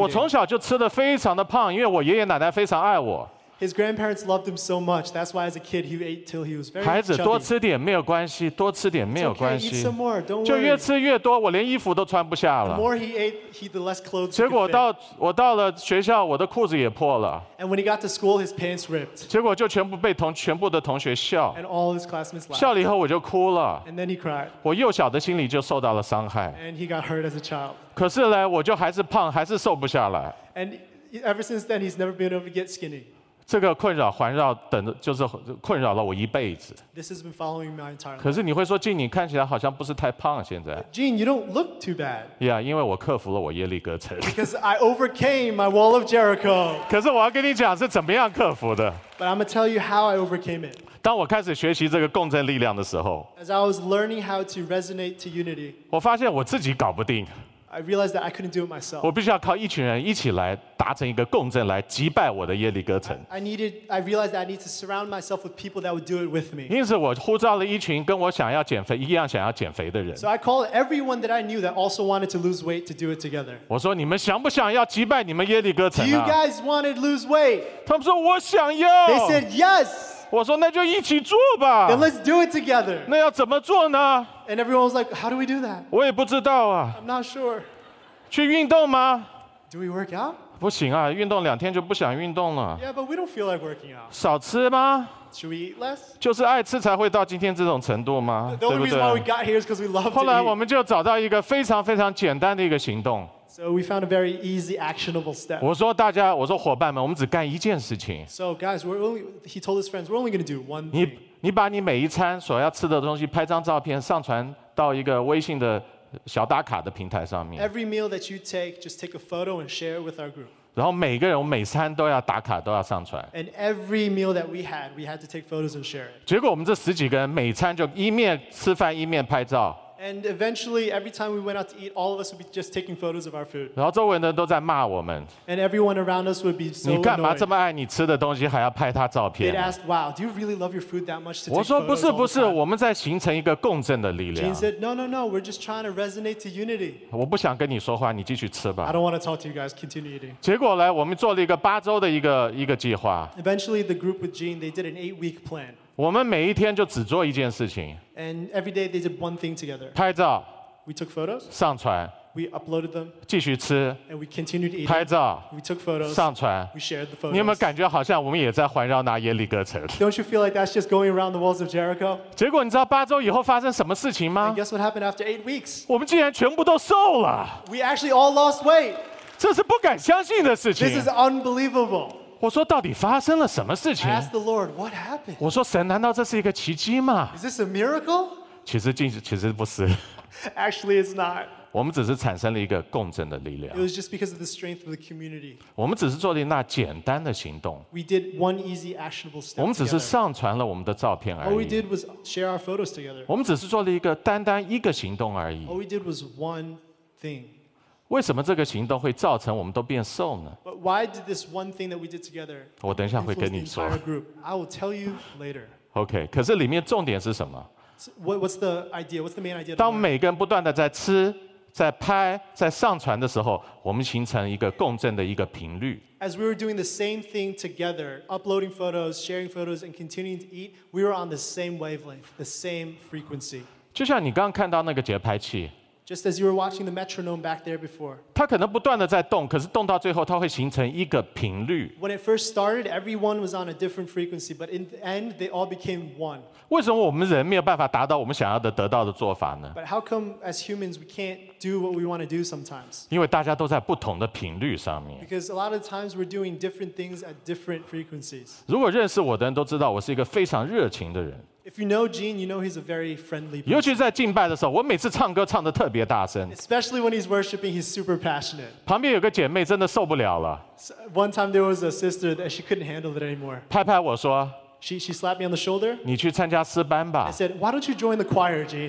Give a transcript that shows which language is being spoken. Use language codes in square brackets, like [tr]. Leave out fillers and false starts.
[zh] 我从小就吃的非常的胖，因为我爷爷奶奶非常爱我。 [en] His grandparents loved him so much. That's why, as a kid, he ate till he was very chubby. [zh] 孩子多吃点没有关系，多吃点没有关系。 [en] It's okay. Eat some more. Don't worry. [zh] 就越吃越多，我连衣服都穿不下了。 [en] The more he ate, the less clothes. [zh] 结果我到了学校，我的裤子也破了。 [en] And when he got to school, his pants ripped. [zh] 结果就全部的同学笑。 [en] And all his classmates laughed. [zh] 笑了以后我就哭了。 [en] And then he cried. [zh] 我幼小的心里就受到了伤害。 [en] And he got hurt as a child. [zh] 可是呢，我就还是胖，还是瘦不下来。 [en] And ever since then, he's never been able to get skinny. [zh] 这个困扰环绕等就是困扰了我一辈子。 [en] This has been following my entire life. [zh] 可是你会说 ，Gene， 你看起来好像不是太胖现在。 [en] Gene, you don't look too bad. [zh] Yeah, 因为我克服了我耶利哥城。 [en] Because I overcame my wall of Jericho. [zh] 可是我要跟你讲是怎么样克服的。 [en] But I'm gonna tell you how I overcame it. [zh] 当我开始学习这个共振力量的时候 [en] ，As I was learning how to resonate to unity, [zh] 我发现我自己搞不定。 [en] I realized that I couldn't do it myself. [zh] 我必须要靠一群人一起来达成一个共振，来击败我的耶利哥城。 [en] I realized that I need to surround myself with people that would do it with me. [zh] 因此，我呼召了一群跟我想要减肥一样想要减肥的人。 [en] So I called everyone that I knew that also wanted to lose weight to do it together. [zh] 我说你们想不想要击败你们耶利哥城啊 [en] ？Do you guys want to lose weight? [zh] 他们说我想要。 [en] They said yes. [zh] 我说那就一起做吧。 [en] Then let's do it together. [zh] 那要怎么做呢 [en] ？And everyone was like, "How do we do that?" [zh] 我也不知道啊。 [en] I'm not sure. [zh] 去运动吗 [en] ？Do we work out? [zh] 不行啊，运动两天就不想运动了。 [en] Yeah, but we don't feel like working out. [zh] 少吃吗 [en] ？Should we eat less? [zh] 就是爱吃才会到今天这种程度吗？对不对 [en] ？The only reason why we got here is because we love to eat. [zh] 后来我们就找到一个非常非常简单的一个行动。 [en] So we found a very easy actionable step. [zh] 我说大家，我说伙伴们，我们只干一件事情。 [en] So guys, he told his friends, we're only going to do one thing. [zh] 你把你每一餐所要吃的东西拍张照片，上传到一个微信的小打卡的平台上面。 [en] Every meal that you take, just take a photo and share it with our group. [zh] 然后每个人，我每餐都要打卡，都要上传。 [en] And every meal that we had to take photos and share it. [zh] 结果我们这十几个人每餐就一面吃饭一面拍照。 [en] And eventually, every time we went out to eat, all of us would be just taking photos of our food. [zh] 然后周围的人都在骂我们。 [en] And everyone around us would be so annoyed. [zh] 你干嘛这么爱你吃的东西，还要拍他照片？ [en] They'd ask, "Wow, do you really love your food that much to take photos?" [zh] 我说不是不是，我们在形成一个共振的力量。 [en] Jane said, "No, we're just trying to resonate to unity." [zh] 我不想跟你说话，你继续吃吧。 [en] I don't want to talk to you guys. Continue eating. [zh] 结果呢，我们做了一个八周的一个计划。 [en] Eventually, the group with Jane, they did an 8-week plan. [zh] 我们每一天就只做一件事情。 [en] And every day they did one thing together. [zh] 拍照。 [en] We took photos. [zh] 上传。 [en] We uploaded them. [zh] 继续吃。 [en] And we continued eating. [zh] 拍照。 [en] We took photos. [zh] 上传。 [en] We shared the photos. [zh] 你有没有感觉好像我们也在环绕那耶利哥城 [en] ？Don't you feel like that's just going around the walls of Jericho? [zh] 结果你知道八周以后发生什么事情吗 [en] ？And guess what happened after 8 weeks? [zh] 我们竟然全部都瘦了。 [en] We actually all lost weight. [zh] 这是不敢相信的事情。 [en] This is unbelievable. [zh] 我说到底发生了什么事情 [en] ？I asked the Lord, "What happened?" [zh] 我说神，难道这是一个奇迹吗 [en] ？Is this a miracle? [zh] 其实不是。 [en] Actually, it's not. [zh] 我们只是产生了一个共振的力量。 [en] It was just because of the strength of the community. [zh] 我们只是做了那简单的行动。 [en] We did one easy actionable step. [zh] 我们只是上传了我们的照片而已。 [en] All we did was share our photos together. [zh] 我们只是做了一个单单一个行动而已。 [en] All we did was one thing. [zh] 为什么这个行动会造成我们都变瘦呢 [en] ？But why did this one thing that we did together? [zh] 我等一下会跟你说。 [en] I will tell you later. [zh] Okay, 可是里面重点是什么 [en] ？What's the idea? What's the main idea? [zh] 当每个人不断的在吃、在拍、在上传的时候，我们形成一个共振的一个频率。 [en] As we were doing the same thing together, uploading photos, sharing photos, and continuing to eat, we were on the same wavelength, the same frequency. [zh] 就像你刚刚看到那个节拍器。 [en] Just as you were watching the metronome back there before. [zh] 它可能不断的在动，可是动到最后，它会形成一个频率。 [en] When it first started, everyone was on a different frequency, but in the end, they all became one. [zh] 为什么我们人没有办法达到我们想要的得到的做法呢 [en] ？But how come as humans we can't do what we want to do sometimes? [zh] 因为大家都在不同的频率上面。 [en] Because a lot of times we're doing different things at different frequencies. [zh] 如果认识我的人都知道，我是一个非常热情的人。 [en] If you know Gene, you know he's a very friendly person. [zh] 尤其在敬拜的时候，我每次唱歌唱得特别大声。 [en] Especially when he's worshiping, he's super passionate. [zh] 旁边有个姐妹真的受不了了。 [en] One time there was a sister that she couldn't handle it anymore. [zh] 拍拍我说。 [en] She slapped me on the shoulder. [zh] 你去参加诗班吧。 [en] I said, "Why don't you join the choir, Gene?"